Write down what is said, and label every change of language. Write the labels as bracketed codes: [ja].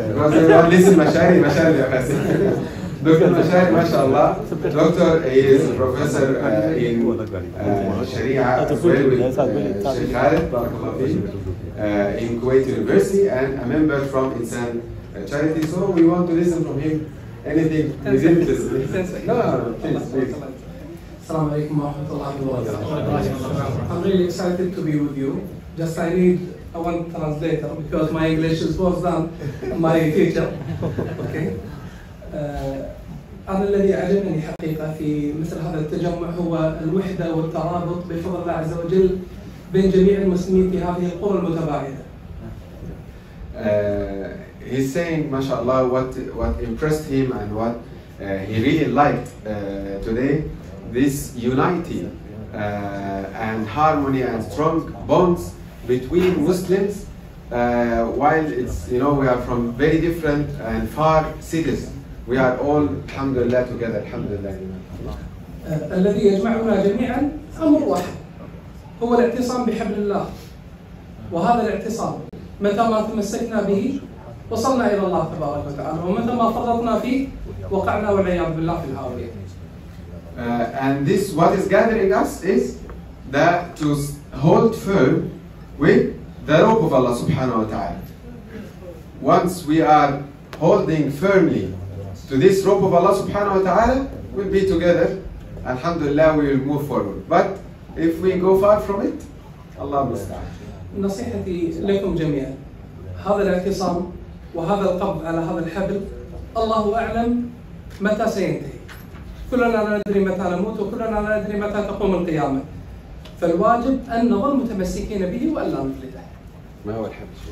[en] مشاري مشاري مشاري مشاري دكتور مشاري [ar] ما شاء الله [en] doctor is professor in الشريعة الشيخ خالد [ar] بارك الله فيه [en] in Kuwait University and a member from إنسان charity so we want to listen from him anything is interesting no please [ar] السلام عليكم ورحمة الله وبركاته. [en] I'm really excited to be with you. Just I need a one translator because my English is worse than my teacher. Okay. [ar] أنا الذي أعجبني حقيقة في مثل هذا التجمع هو الوحدة والترابط بفضل الله عز وجل بين جميع المسلمين في هذه القرى المتباعدة. [en] He's saying, mashallah, what impressed him and what he really liked today. This unity and harmony and strong bonds between Muslims, while it's, you know, we are from very different and far cities, we are all, alhamdulillah, together, alhamdulillah. [ar] الذي يجمعنا جميعا أمر واحد هو الاعتصام بحبل الله وهذا الاعتصام متى ما تمسكنا به وصلنا إلى الله تبارك وتعالى ومتى ما فرطنا فيه وقعنا والعياذ بالله في الهاوية. [en] And this, what is gathering us is that to hold firm with the rope of Allah subhanahu wa ta'ala. Once we are holding firmly to this rope of Allah subhanahu wa ta'ala, we'll be together. Alhamdulillah, we will move forward. But if we go far from it, Allah must die. [ar] نصيحتي لكم جميعا. هذا الاعتصام وهذا القبض على هذا الحبل, الله أعلم متى سينتهي. كلنا لا ندري متى نموت وكلنا لا ندري متى تقوم القيامة. فالواجب أن نظل متمسكين به وألا نفلته. ما هو الحبل؟